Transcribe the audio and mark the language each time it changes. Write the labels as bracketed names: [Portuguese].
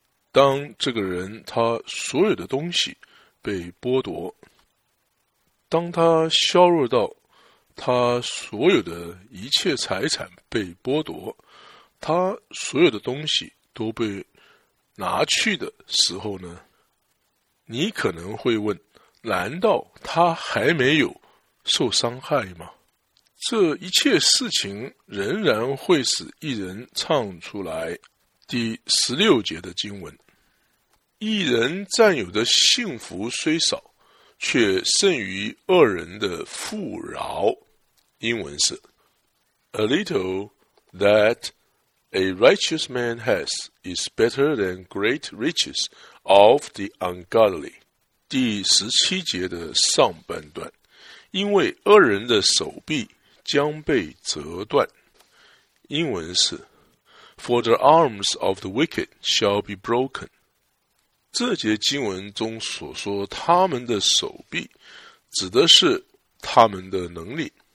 [Chinese] 当这个人他所有的东西被剥夺，当他削弱到他所有的一切财产被剥夺，他所有的东西都被拿去的时候呢，你可能会问，难道他还没有受伤害吗？这一切事情仍然会使义人唱出来。第十六节的经文，义人占有的幸福虽少，却胜于恶人的富饶，英文是 [English] A little that a righteous man has is better than great riches of the ungodly。 [Chinese] 第十七节的上半段，因为恶人的手臂将被折断。英文是 [English] For the arms of the wicked shall be broken。 [Chinese] 这节经文中所说他们的手臂指的是他们的能力。